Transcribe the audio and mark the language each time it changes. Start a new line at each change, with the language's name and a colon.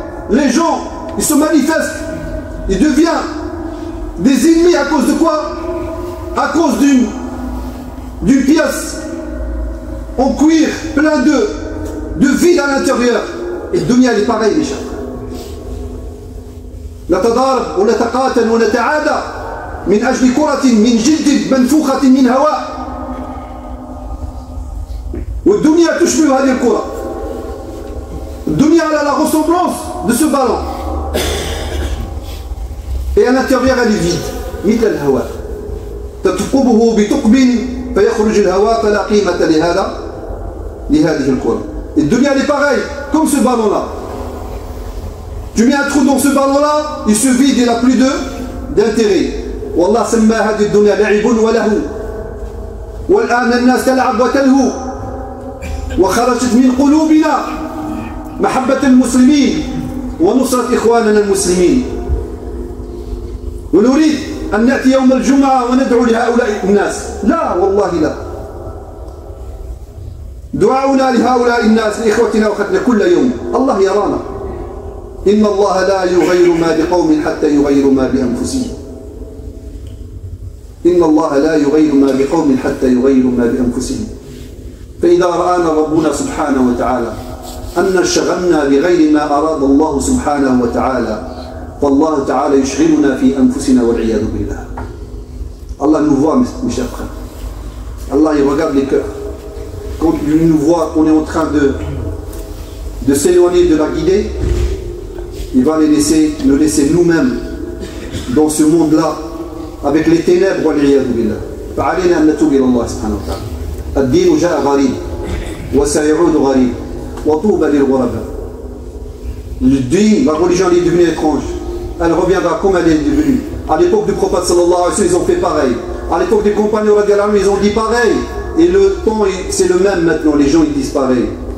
French: Les gens, ils se manifestent, ils deviennent des ennemis à cause de quoi? À cause d'une pièce en cuir plein de vide à l'intérieur. Et le dunya est pareil, déjà. La tadarb, ou la taqatan, ou la ta'ada.
Arabic: من أجل كرة من جلد منفوخة من هواء، والدنيا تشبه هذه الكرة، الدنيا على
French: la ressemblance de ce ballon et à l'intérieur elle est vide
Arabic: مثل الهواء، تثقبه بثقب فيخرج الهواء فلا قيمة لهذه الكرة.
French: الدنيا est pareil comme ce ballon là. Tu mets un trou dans ce ballon là, il se vide, il n'a plus d'intérêt.
Arabic: والله سمى هذه الدنيا لعب وله، والآن الناس تلعب وتلهو، وخرجت من قلوبنا محبة المسلمين ونصرة إخواننا المسلمين. ونريد أن نأتي يوم الجمعة وندعو لهؤلاء الناس، لا والله لا. دعاؤنا لهؤلاء الناس لإخوتنا وأخواتنا كل يوم، الله يرانا. إن الله لا يغير ما بقوم حتى يغير ما بأنفسهم. إن الله لا يغير ما بقوم حتى يغير ما بأنفسهم. فإذا رآنا ربنا سبحانه وتعالى أن شغلنا بغير ما أراد الله سبحانه وتعالى، فالله تعالى يشغلنا في أنفسنا والعياذ بالله.
French: الله nous voit mes chers frères. Allah il regarde les cœurs. Quand il nous voit qu'on est en train de s'éloigner de la guidée, il va nous laisser nous-mêmes dans ce monde-là avec les ténèbres
Arabic: والعياذ بالله. فعلينا أن نتوب إلى الله سبحانه وتعالى. الدين جاء غريب وسيعود غريب وطوبى للغرباء.
French: La religion est devenue étrange. Elle reviendra comme elle est devenue. À l'époque du prophète
Arabic: sallallahu alayhi wa sallam,
French: ils ont fait pareil. À l'époque des compagnons
Arabic: radiallahu anhum,
French: ils ont dit pareil. Et le temps, c'est le même maintenant. Les gens, ils disparaissent.